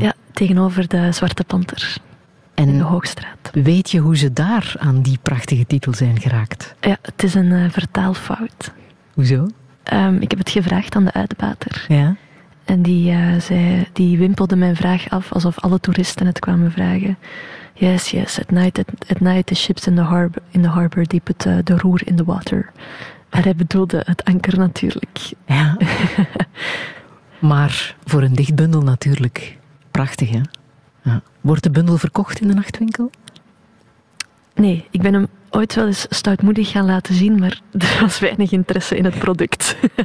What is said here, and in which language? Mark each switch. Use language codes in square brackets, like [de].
[nl] Ja, tegenover de Zwarte Panter. En in de Hoogstraat. Weet je hoe ze daar aan die prachtige titel zijn geraakt? Ja, het is een vertaalfout. Hoezo? Ik heb het gevraagd aan de uitbater. Ja? En die, die wimpelde mijn vraag af alsof alle toeristen het kwamen vragen. [en] Yes, yes, at night the ships in the harbor die put the roer in the water. [nl] Maar hij bedoelde het anker natuurlijk. Ja. Maar voor een dichtbundel natuurlijk. Prachtig, hè? Ja. Wordt de bundel verkocht in de nachtwinkel? Nee, ik ben hem ooit wel eens stoutmoedig gaan laten zien, maar er was weinig interesse in het product.